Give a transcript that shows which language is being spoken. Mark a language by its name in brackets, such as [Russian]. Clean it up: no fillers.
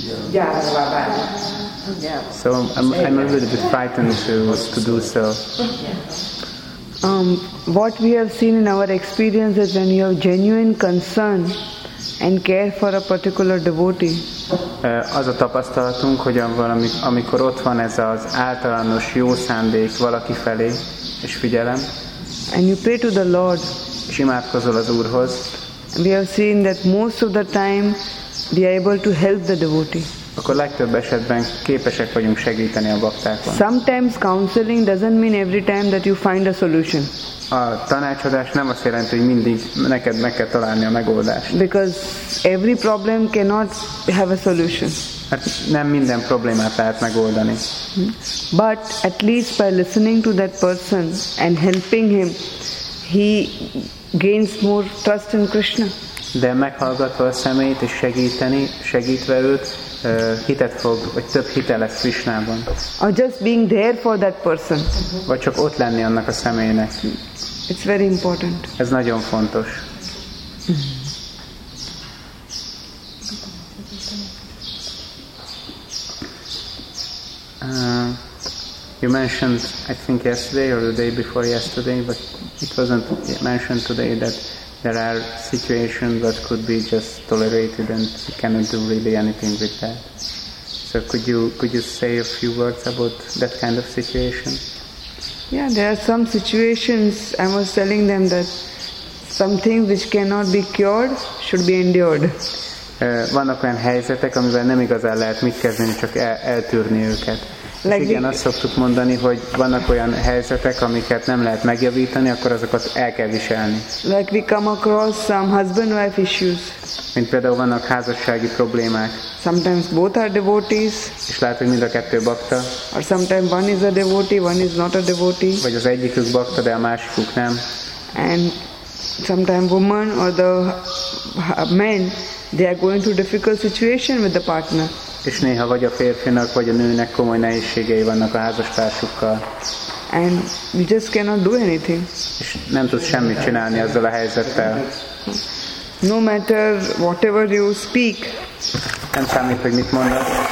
[English] Yeah. So I'm a little bit frightened to do so. What we have seen in our experience is when you have genuine concern and care for a particular devotee. [Hungarian] Az a tapasztalatunk, hogy amikor ott van ez az általános jó szándék valaki felé, és figyelem. [English] And you pray to the Lord. [Hungarian] És imádkozol az Úrhoz. [English] We have seen that most of the time we are able to help the devotee. [Hungarian] Akkor legtöbb esetben képesek vagyunk segíteni a baktákon. [English] Sometimes counseling doesn't mean every time that you find a solution. [Hungarian] A tanácsadás nem azt jelenti, hogy mindig neked meg kell találni a megoldást. [English] Because every problem cannot have a solution. [Hungarian] Hát nem minden problémát lehet megoldani. [English] But at least by listening to that person and helping him, he gains more trust in Krishna. [Hungarian] De meghallgatva a személyt és segítve őt, hitet fog, vagy több hite lesz Krishnában. [English] Or just being there for that person. [Hungarian] Vagy csak ott lenni annak a személynek. [English] It's very important. [Hungarian] Ez nagyon fontos. [English] You mentioned, I think yesterday or the day before yesterday, but it wasn't mentioned today that there are situations that could be just tolerated and you cannot do really anything with that. So could you say a few words about that kind of situation? Yeah, there are some situations, I was telling them that something which cannot be cured should be endured. [Hungarian] Vannak olyan helyzetek, amivel nem igazán lehet mit kezdeni, csak eltűrni őket. Like igen, azt szoktuk mondani, hogy vannak olyan helyzetek, amiket nem lehet megjavítani, akkor azokat el kell viselni. [English] Like we come across some husband-wife issues. [Hungarian] Mint például vannak házassági problémák. [English] Sometimes both are devotees. [Hungarian] És lehet, hogy mind a kettő bakta. [English] Or sometimes one is a devotee, one is not a devotee. [Hungarian] Vagy az egyikük bakta, de a másikuk nem. [English] And sometimes woman or the man, they are going through difficult situation with the partner. [Hungarian] És néha vagy a férfinak, vagy a nőnek komoly nehézségei vannak a házastársukkal. [English] And we just cannot do anything. [Hungarian] És nem tudsz semmit csinálni ezzel a helyzettel. [English] No matter whatever you speak. [Hungarian] Nem számít, hogy mit mondasz.